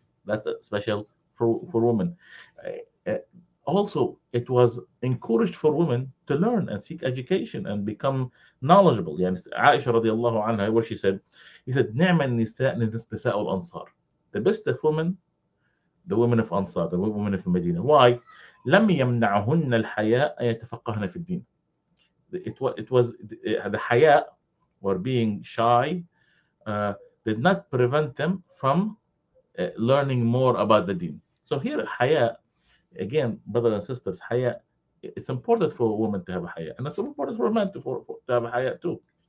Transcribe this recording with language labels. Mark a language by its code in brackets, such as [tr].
[en] That's a special for women. Also, it was encouraged for women to learn and seek education and become knowledgeable. يعني Aisha radiallahu anha, where he said, [ar] نعم النساء الأنصار. [en] The best of women, the women of Ansar, the women of Medina. Why? [ar] لم يمنعهن الحياء أن يتفقهن في الدين. [en] It was the حياء, or being shy, did not prevent them from learning more about the deen. So here, حياء, again, brothers and sisters, حياء, it's important for a woman to have a حياء, and it's important for a man to have a حياء too.